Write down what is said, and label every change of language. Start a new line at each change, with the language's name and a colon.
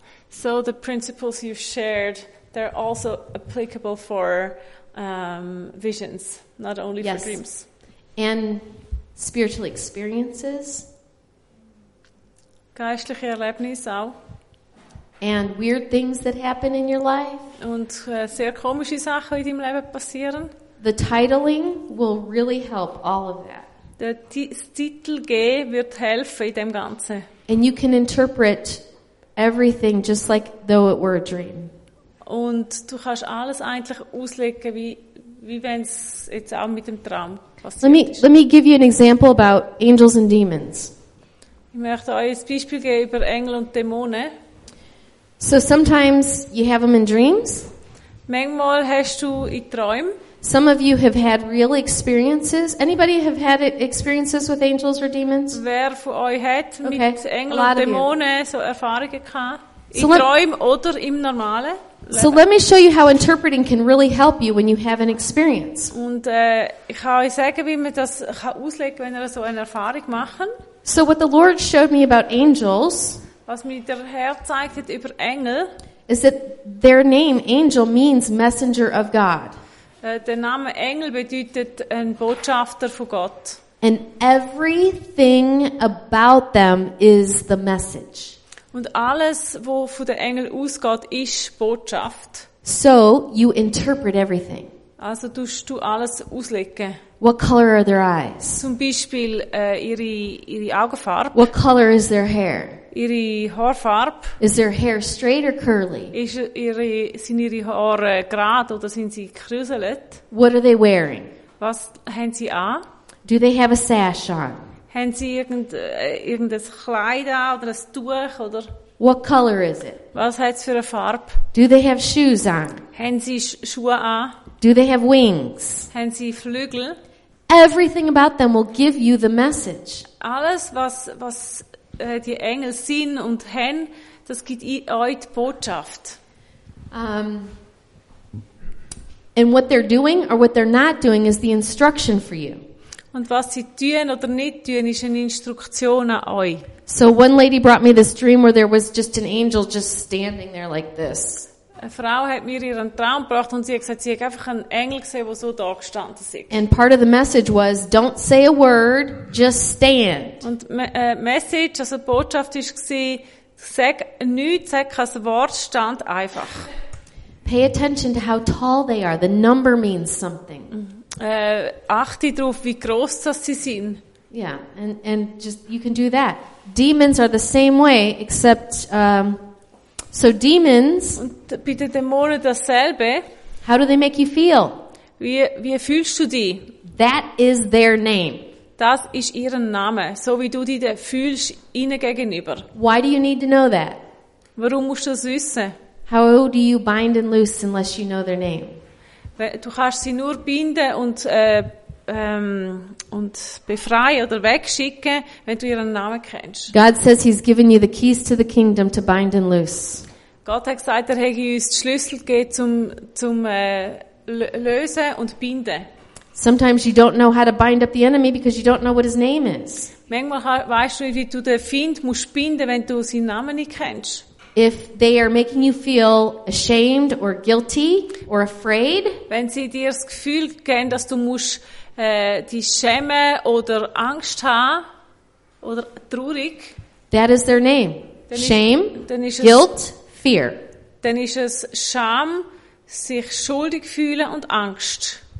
English: So the principles you've shared, they're also applicable for visions, not only yes. for dreams. And spiritual experiences.
German: Geistliche Erlebnisse auch.
English: And weird things that happen in your life.
German: Und sehr komische Sachen in deinem Leben passieren.
English: The titling will really help all of that.
German: Das Titel G wird helfen in dem Ganzen.
English: And you can interpret everything just like though it were a dream.
German: Und du kannst alles eigentlich auslegen, wie wenn es jetzt auch mit dem Traum passiert.
English: Let me give you an example about angels and demons.
German: Ich möchte euch ein Beispiel geben über Engel und Dämonen.
English: So sometimes you have them in dreams.
German: Manchmal hast du in Träumen.
English: Some of you have had real experiences. Anybody have had experiences with angels or demons?
German: Wer von euch hat mit Engeln und Dämonen so Erfahrungen gehabt? In Träumen oder im normalen Leben?
English: So let me show you how interpreting can really help you when you have an experience.
German: Und ich kann euch sagen, wie man das kann auslegen, wenn ihr so eine Erfahrung machen.
English: So what the Lord showed me about angels,
German: was mir der Herr zeigt hat über Engel,
English: is that their name angel means messenger of God.
German: Der Name Engel bedeutet ein Botschafter von Gott.
English: And everything about them is the message.
German: Und alles, wo von den Engeln ausgeht, ist Botschaft.
English: So you interpret everything.
German: Also tust du alles auslegen.
English: What color are their eyes?
German: Zum Beispiel ihre Augenfarbe.
English: What color is their hair?
German: Ihre Haarfarbe.
English: Is their hair straight or curly?
German: Sind ihre Haare gerade oder sind sie kruselt?
English: What are they wearing?
German: Was haben sie an?
English: Do they have a sash on?
German: Haben sie irgendein Kleid an oder ein Tuch oder?
English: What color is it?
German: Was hat's für eine Farbe?
English: Do they have shoes on?
German: Haben sie Schuhe an?
English: Do they have wings?
German: Haben sie Flügel?
English: Everything about them will give you the message.
German: Alles, was die Engel sind und haben, das gibt euch die Botschaft.
English: And what they're doing or what they're not doing is the instruction for you.
German: Und was sie tun oder nicht tun, ist eine Instruktion an euch.
English: So one lady brought me this dream where there was just an angel just standing there like this.
German: Eine Frau hat mir ihren Traum gebracht und sie hat gesagt, sie hat einfach einen Engel gesehen, der so da gestanden ist.
English: And part of the message was, don't say a word, just stand.
German: Und Message, also Botschaft ist gewesen, sag nichts, sag kein Wort, stand einfach.
English: Pay attention to how tall they are. The number means something.
German: Achte darauf, wie gross das sie sind.
English: Yeah, and just you can do that. Demons are the same way, except so demons.
German: Und bei den Dämonen dasselbe.
English: How do they make you feel?
German: Wie fühlst du dich?
English: That is their name.
German: Das ist ihren Name, so wie du dich fühlst ihnen gegenüber.
English: Why do you need to know that?
German: Warum musst du das wissen?
English: How do you bind and loose unless you know their name?
German: Du kannst sie nur binden und befreien oder wegschicken, wenn du ihren Namen kennst.
English: God says he's given you the keys to the kingdom to bind and loose.
German: Gott hat gesagt, er hätte uns Schlüssel gegeben zum lösen und binden.
English: Sometimes you don't know how to bind up the enemy because you don't know what his name is.
German: Manchmal weißt du, wie du den Feind musst binden, wenn du seinen Namen nicht kennst.
English: If they are making you feel ashamed or guilty or afraid,
German: wenn sie dir das Gefühl geben, dass du musst dich schämen oder Angst haben oder traurig,
English: that is their name. Shame, guilt, fear.
German: Dann ist es Scham, sich schuldig fühlen und Angst.